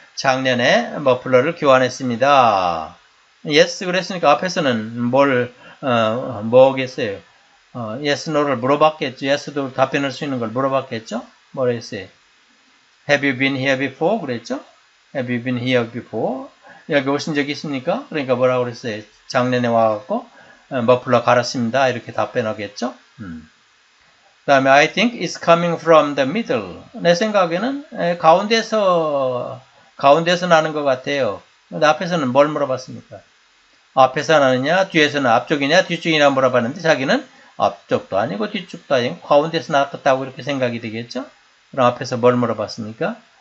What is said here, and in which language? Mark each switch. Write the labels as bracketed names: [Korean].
[Korean] 작년에 머플러를 교환했습니다. Yes, 그랬으니까 앞에서는 뭐겠어요? Yes, No를 물어봤겠죠. Yes도 답변할 수 있는 걸 물어봤겠죠? 뭐라 했어요? [English] Have you been here before? [Korean] 그랬죠? [English] Have you been here before? [Korean] 여기 오신 적 있습니까? 그러니까 뭐라고 그랬어요? 작년에 와갖고 머플러 갈았습니다. 이렇게 답변하겠죠? 그 다음에 [English] I think it's coming from the middle. [Korean] 내 생각에는 가운데서 나는 것 같아요. 근데 앞에서는 뭘 물어봤습니까? 앞에서 나느냐? 뒤에서는 앞쪽이냐? 뒤쪽이냐? 물어봤는데 자기는 앞쪽도 아니고 뒤쪽도 아니고 가운데서 나왔다고 이렇게 생각이 되겠죠? 그럼 앞에서 뭘 물어봤습니까?